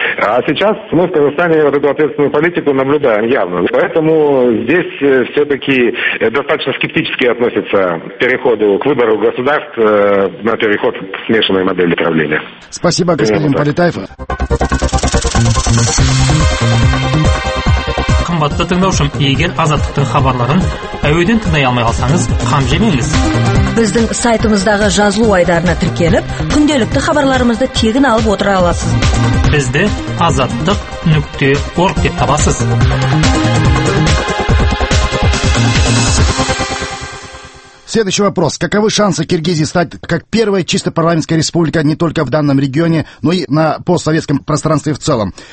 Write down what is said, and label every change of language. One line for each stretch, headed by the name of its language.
Russian: А сейчас мы в Казахстане вот эту ответственную политику наблюдаем явно. Поэтому здесь все-таки достаточно скептически относятся к переходу, к выбору государств на переход к смешанной модели правления. Спасибо, господин Политаев.
Kazakh: Қымбатты тыңдаушым, егер азаттықтың хабарларын әуеден тыңдай алмай қалсаңыз, қам жемеңіз. Біздің сайтымыздағы жазылу айдарына тіркеліп, күнделікті хабарларымызды тегін алып отыра аласыз. Бізді azattik.org деп табасыз.
Russian: Следующий вопрос. Каковы шансы Киргизии стать как первая чисто парламентская республика не только в данном регионе, но и на постсоветском пространстве в целом?